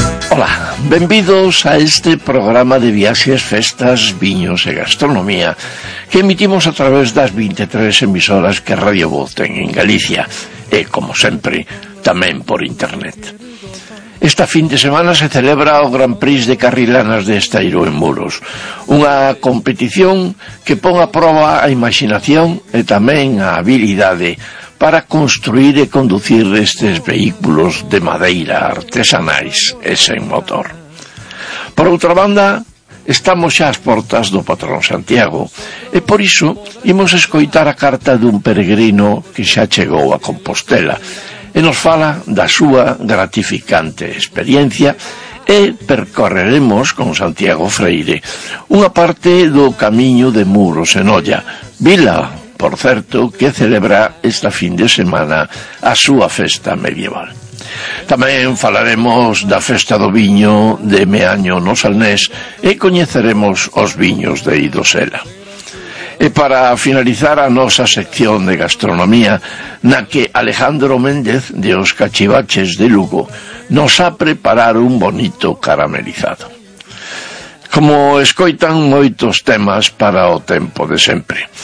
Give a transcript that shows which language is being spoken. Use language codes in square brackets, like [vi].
[es] Hola, bienvenidos a este programa de viajes, festas, viños y gastronomía que emitimos a través de las 23 emisoras que Radio Voz ten en Galicia. [gl] E, como sempre, tamén por internet. Esta fin de semana se celebra o Gran Prix de Carrilanas de Estairo en Muros, unha competición que pon a prova a imaginación e tamén a habilidade para construir e conducir estes vehículos de madeira artesanais e sen motor. Por outra banda, estamos xa ás portas do patrón Santiago e por iso imos escoitar a carta dun peregrino que xa chegou a Compostela e nos fala da súa gratificante experiencia e percorreremos con Santiago Freire unha parte do camiño de Muros en Olla, vila, por certo, que celebra esta fin de semana a súa festa medieval. Tamén falaremos da festa do viño de Meaño no Salnés e coñeceremos os viños de Idosela. E para finalizar a nosa sección de gastronomía, na que Alejandro Méndez de Os Cachivaches de Lugo nos ha preparado un bonito caramelizado. Como escoitan, moitos temas para o tempo de sempre.